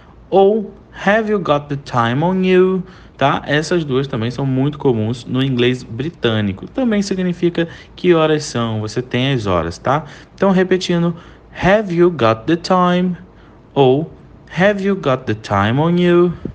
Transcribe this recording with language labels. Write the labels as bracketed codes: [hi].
[pt] Ou [en] Have you got the time on you? [pt] Tá? Essas duas também são muito comuns no inglês britânico. Também significa que horas são, você tem as horas, tá? Então, repetindo, [en] Have you got the time? [pt] Ou [en] Have you got the time on you?